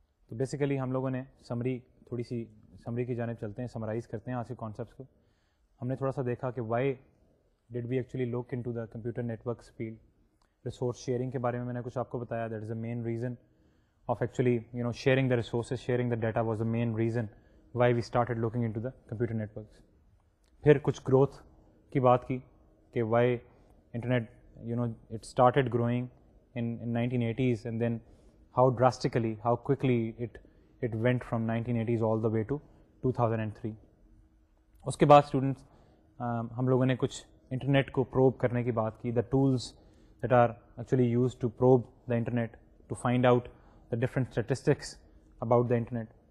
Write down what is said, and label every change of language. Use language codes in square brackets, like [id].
[ur] تو بیسیکلی ہم لوگوں نے سمری تھوڑی سی سمری کی جانب چلتے ہیں, سمرائز کرتے ہیں آج کے کانسیپٹس کو. ہم نے تھوڑا سا دیکھا کہ [en] Why did we actually look into the computer network field. [ur] Resource sharing کے بارے میں نے کچھ آپ کو بتایا, [en] That is a main reason of actually you know sharing the resources, sharing the data was the main reason why we started looking into the computer networks. [ur] پھر کچھ گروتھ کی بات کی کہ [en] Why internet you know it started growing in 1980s and then how drastically how quickly it went from 1980s all the way to 2003. [ur] اس کے بعد students ہم لوگوں نے کچھ انٹرنیٹ کو پروب کرنے کی بات کی, [en] The tools that are actually use to probe the internet to find out the different statistics about the internet.